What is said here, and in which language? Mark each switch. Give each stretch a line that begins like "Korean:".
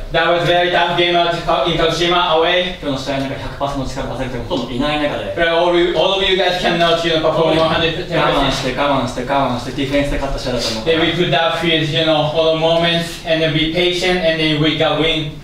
English: That was very tough game at Kagoshima away.
Japanese: 今日の試合の中 100% の力を出せるというほとんどいない中で。
English: But all of you guys cannot you know, perform 110%.
Japanese: 我慢してディフェンスで勝った試合だと思う。
English: Then we put that fear, you know, for the moments, and then be patient, and then we can win.